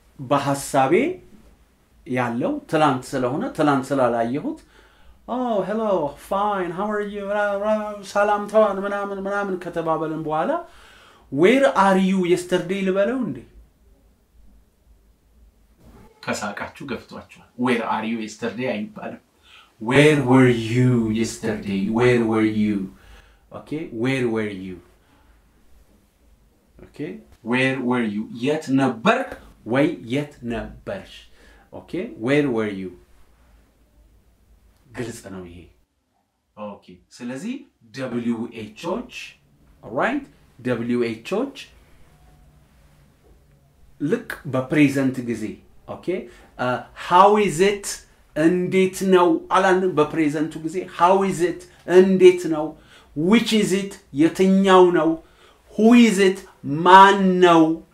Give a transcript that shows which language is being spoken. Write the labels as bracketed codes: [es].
[am] በሐሳቤ ያለው ትላንት ስለሆነ ትላንት ስላላየሁት [en] oh hello fine how are you [am] ሰላም ተዋን ምናምን ምናምን ከተባበልን በኋላ [en] where are you yesterday [am] ልበለው እንዴ? ከሳቃችሁ ገፍቷችኋል። [en] where are you yesterday [am] አይባልም። [en] where were you yesterday where were you okay where were you okay where were you yet [am] ነበር ወይ የት ነበርሽ? [en] ኦኬ where were you [am] ግልጽ ነው ይሄ። ኦኬ ስለዚህ WH-ዎች [en] alright WH-ዎች ልክ በpresent ጊዜ ኦኬ how is it [am] እንዴት ነው [en] አላን በpresent ጊዜ how is it እንዴት ነው which is it [am] የትኛው ነው [en] who is it [am] ማን ነው